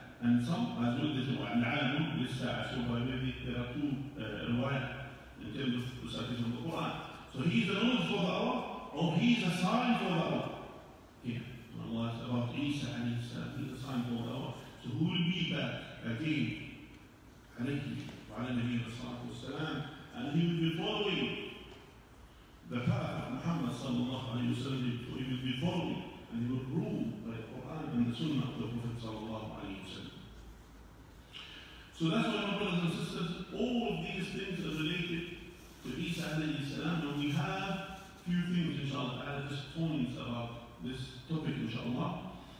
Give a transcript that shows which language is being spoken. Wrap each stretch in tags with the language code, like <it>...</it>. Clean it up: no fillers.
<en>And some, as well, they say,</en> <ar>الْعَالِمُ لِلسَّاعَةِ.</ar> <en>So maybe there are two riwayat in terms of recitation of the Quran. So he is the knowledge for the hour, or he is a sign for the hour. Here, Allah is about Isa alayhi salam, he is a sign for the hour. So who will be back again?</en> <ar>عليه وعلى نبينا الصلاة والسلام.</ar> <en>And he will be following the path of Muhammad sallallahu alayhi wa sallam. So he will be following and he will rule by the Quran and the Sunnah of the Prophet sallallahu alayhi wa sallam. So that's why, my brothers and sisters, all of these things are related to Isa alayhi salam. And we have few things, inshallah, at this point about this topic, inshallah.</en>